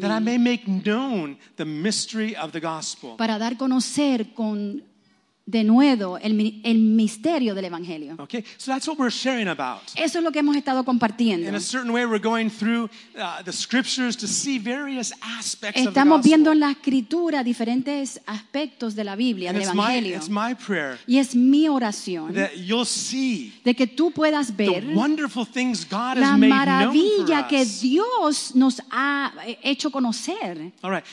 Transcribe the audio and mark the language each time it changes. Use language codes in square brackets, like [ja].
[en] That I may make known the mystery of the gospel. [es] Para dar conocer con de nuevo el misterio del evangelio. [en] Okay, so that's what we're sharing about. [es] Eso es lo que hemos estado compartiendo. [en] In a certain way, we're going through the scriptures to see various aspects. [es] Estamos viendo en la escritura diferentes aspectos de la Biblia, del evangelio. [en] It's my prayer. [es] Y es mi oración. [en] That you'll see. [es] De que tú puedas ver. [en] The wonderful things God has made [es] La maravilla que Dios nos ha hecho conocer. [en] All right.